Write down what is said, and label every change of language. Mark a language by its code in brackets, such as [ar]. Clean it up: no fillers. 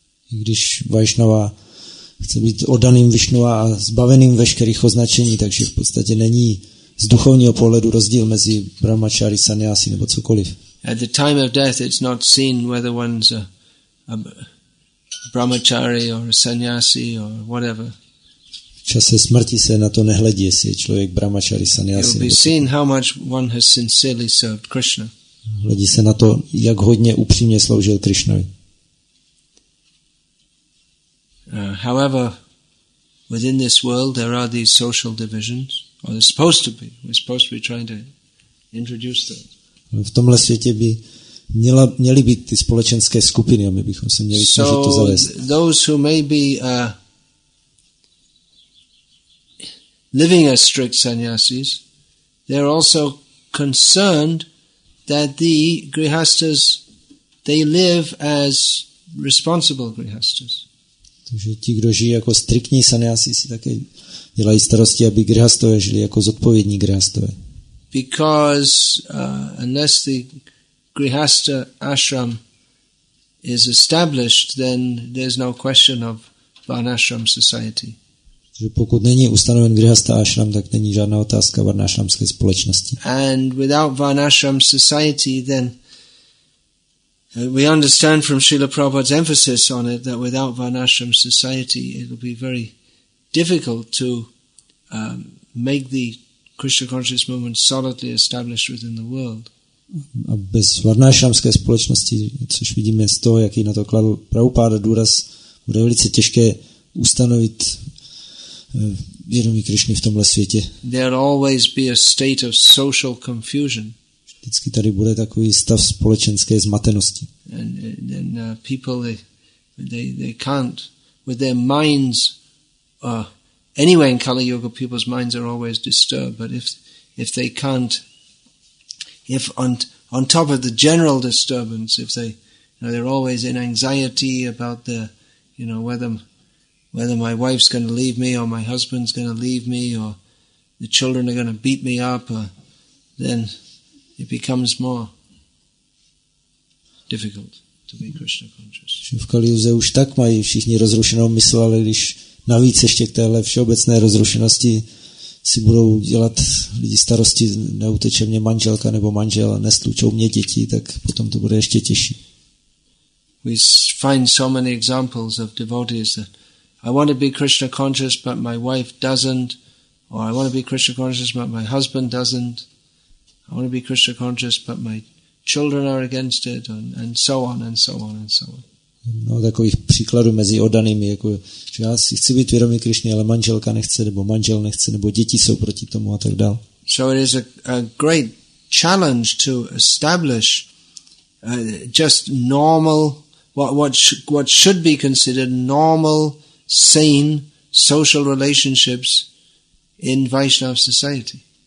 [cs] Když Vaishnava chce být oddaným Vishnu a zbaveným veškerých označení, takže v podstatě není z duchovního pohledu rozdíl mezi brahmachari, sannyasi nebo cokoliv. [en] At the time of death it's not seen whether one's a brahmachari or a sannyasi or whatever. [cs] V čase smrti se na to nehledí, jestli je člověk brahmachari, sannyasi. [en] It will be seen how much one has sincerely served Krishna. [cs] Hledí se na to, jak hodně upřímně sloužil Krishnovi. [en] However, within this world there are these social divisions, or there's supposed to be. We're supposed to be trying to introduce them. [cs] V tomhle světě by měly být ty společenské skupiny, a my bychom se měli snažit to zavést. [en] So those who may be living as strict sannyasis, They're also concerned that the grihasthas, they live as responsible grihasthas. [cs] Takže ti, kdo žijí jako striktní sanyasi, si také dělají starosti, aby grihasthové žili jako zodpovědní grihasthové. [en] Because unless the grihastha ashram is established, then there's no question of varnashram society. [cs] Že pokud není ustanoven grihastha ashram, tak není žádná otázka varnashramské společnosti. [en] And without varnashram society, then we understand from Srila Prabhupada's emphasis on it that without varnashram society, it will be very difficult to make the Krishna conscious movement solidly established within the world. [cs] A bez varnashramské společnosti, což vidíme z toho, jaký na to kladl Prabhupada důraz, bude velice těžké ustanovit vědomí Krišny v tomhle světě. [en] There'll always be a state of social confusion. [cs] Vždycky tady bude takový stav společenské zmatenosti. [en] And people they can't with their minds anyway in Kali Yuga people's minds are always disturbed, but if they can't, if on top of the general disturbance, if they, you know, they're always in anxiety about the, you know, whether my wife's going to leave me or my husband's going to leave me or the children are going to beat me up, then it becomes more difficult to be Krishna conscious. [cs] V Kali Yuze už tak mají všichni rozrušenou mysl, ale když navíc ještě k téhle všeobecné rozrušenosti si budou dělat lidi starosti, neuteče mě manželka nebo manžel, nestlučou mě děti, tak potom to bude ještě těžší. [en] We find so many examples of devotees that I want to be Krishna conscious, but my wife doesn't, or I want to be Krishna conscious, but my husband doesn't, I want to be Krishna conscious, but my children are against it, and so on, and so on, and so on. [cs] No, takových příkladů mezi oddanými, jako, že já si chci být vědomý Krišny, ale manželka nechce, nebo manžel nechce, nebo děti jsou proti tomu a tak dál. [en] So it is a great challenge to establish just normal, what should be considered normal, sane social relationships in Vaishnava society.